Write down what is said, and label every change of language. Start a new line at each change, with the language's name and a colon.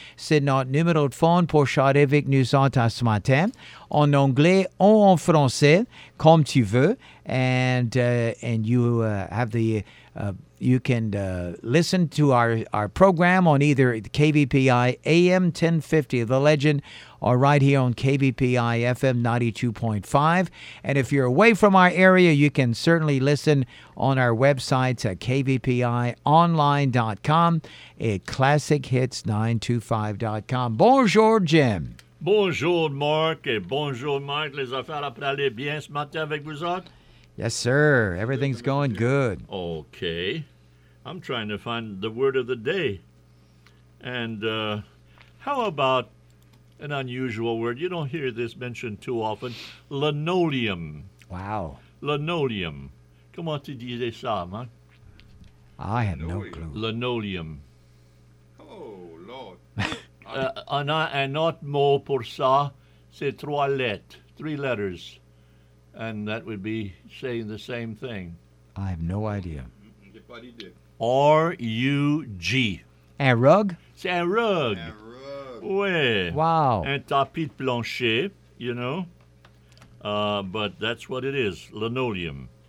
French: C'est notre numéro de phone pour charger avec nous autres ce matin. En anglais ou en français, comme tu veux.
English: And you have the you can listen to our program on either KVPI AM 1050 of the Legend or right here on KVPI FM 92.5. And if you're away from our area, you can certainly listen on our website at kvpionline.com at classichits925.com.
French: Bonjour, Jim. Bonjour, Mark, et bonjour, Mike. Les affaires après aller bien ce matin avec vous autres?
English: Yes, sir. Everything's going good. Okay. I'm trying to find the word of the day. And how about an unusual word? You don't hear this mentioned too often. Linoleum. Wow.
French: Linoleum. Comment tu disais ça, man?
English: I have no clue. Linoleum. Oh, Lord.
French: On a un autre mot pour ça, c'est
English: three letters. And that would be saying the same thing. I have no idea. R-U-G.
French: Un rug? C'est un rug. Un rug. Ouais. Wow. Un tapis de plancher,
English: you know. But that's what it is, linoleum.